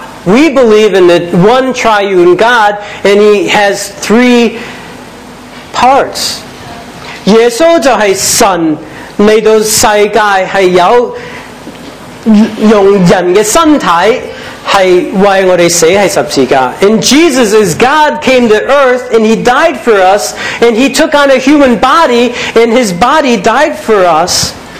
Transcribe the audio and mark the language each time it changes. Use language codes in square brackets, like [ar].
[en] We believe in the one triune God, and he has three parts. [zh] 耶稣就是神来到世界，是有 用人的身体是为我们死在十字架。 [en] And Jesus is God, came to earth, and he died for us, and he took on a human body, and his body died for us.